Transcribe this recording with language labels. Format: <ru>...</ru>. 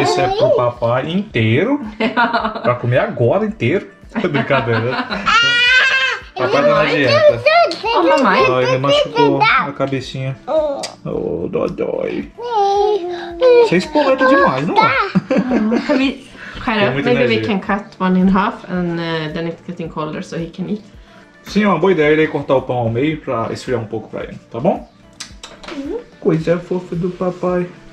<pt>Esse é pro papai inteiro. Pra comer agora inteiro. Brincadeira. Papai tá na dieta. Ô, oh, mamãe. Dói, me machucou a cabecinha. Oh, dói. Você espoleta demais, não?</pt> <en>Caramba, maybe we can cut one in half and then it's getting colder so he can eat.</en> <pt>Sim, é uma boa ideia ele cortar o pão ao meio pra esfriar um pouco pra ele, tá bom? Coisa fofa do papai.</pt>